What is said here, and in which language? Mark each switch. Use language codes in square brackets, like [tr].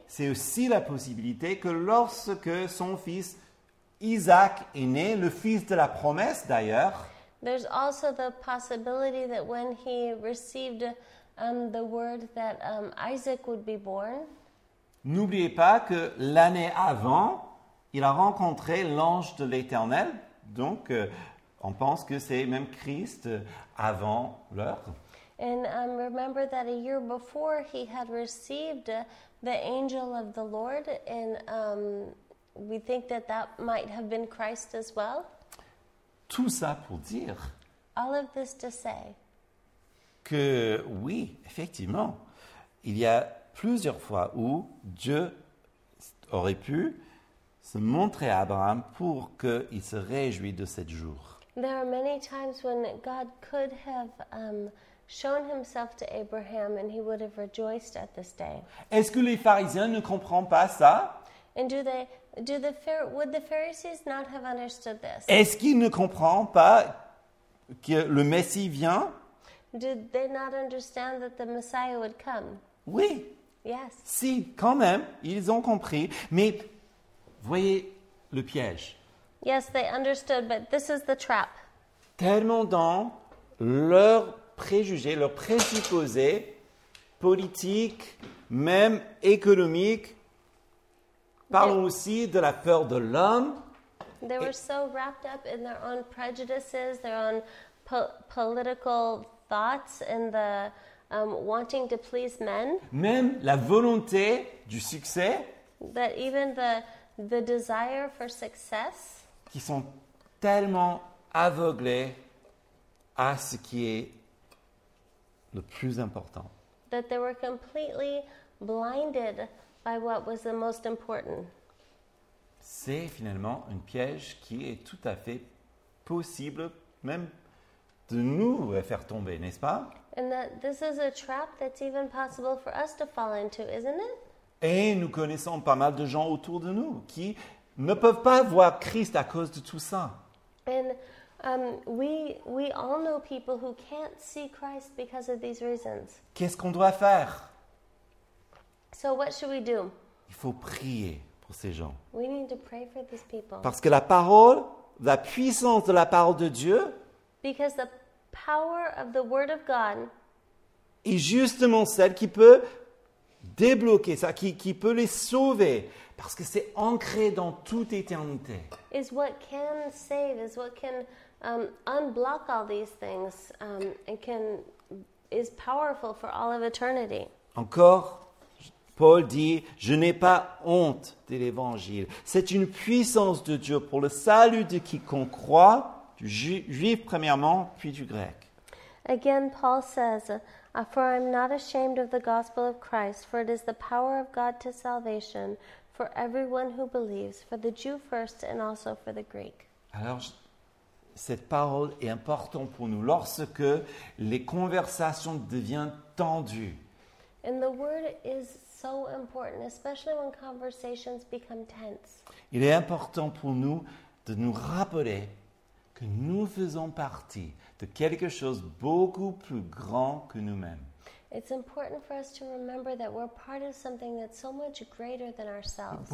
[fr] C'est aussi la possibilité que lorsque son fils Isaac est né, le fils de la promesse d'ailleurs. [en] There's also the possibility that when he received the word that Isaac would be born. [fr] N'oubliez pas que l'année avant, il a rencontré l'ange de l'Éternel. Donc, on pense que c'est même Christ avant l'heure. [en] And remember that a year before, he had received the angel of the Lord in we think that that might have been Christ as well. [fr] Tout ça pour dire. [en] All of this to say. [fr] Que oui, effectivement, il y a plusieurs fois où Dieu aurait pu se montrer à Abraham pour qu'il se réjouisse de ce jour. [en] There are many times when God could have shown himself to Abraham and he would have rejoiced at this day. [fr] Est-ce que les pharisiens ne comprennent pas ça? [en] And would the Pharisees not have understood this? [fr] Est-ce qu'ils ne comprennent pas que le Messie vient? [en] Did they not understand that the Messiah would come? [fr] Oui. [en] Yes. [fr] Si, quand même, ils ont compris. Mais voyez le piège. [en] Yes, they understood, but this is the trap. [fr] Tellement dans leurs préjugés, leurs présupposés politiques, même économiques. Parlons aussi de la peur de l'homme. [en] They were so wrapped up in their own prejudices, their own political thoughts, and the wanting to please men. [fr] Même la volonté du succès. [en] That even the the desire for success, [fr] qui sont tellement aveuglés à ce qui est le plus important, [en] that they were completely blinded by what was the most important. [fr] C'est finalement un piège qui est tout à fait possible même de nous faire tomber, n'est-ce pas? [en] And that this is a trap that's even possible for us to fall into, isn't it? [fr] Et nous connaissons pas mal de gens autour de nous qui ne peuvent pas voir Christ à cause de tout ça. [en] And we all know people who can't see Christ because of these reasons. [fr] Qu'est-ce qu'on doit faire? [en] So what should we do? [fr] Il faut prier pour ces gens. [en] We need to pray for these people. [fr] Parce que la parole, la puissance de la parole de Dieu, [en] because the power of the word of God, [fr] est justement celle qui peut débloquer ça, qui peut les sauver, parce que c'est ancré dans toute éternité. [en] Is what can save, is what can unblock all these things, and can is powerful for all of eternity. [fr] Encore, Paul dit, je n'ai pas honte de l'évangile. C'est une puissance de Dieu pour le salut de quiconque croit, du juif premièrement, puis du grec. [en] Again, Paul says, for I'm not ashamed of the gospel of Christ, for it is the power of God to salvation for everyone who believes, for the Jew first and also for the Greek. [fr] Alors, cette parole est importante pour nous lorsque les conversations deviennent tendues. [en] And the word is so important, especially when conversations become tense. [fr] Il est important pour nous de nous rappeler que nous faisons partie de quelque chose beaucoup plus grand que nous-mêmes. [en] It's important for us to remember that we're part of something that's so much greater than ourselves.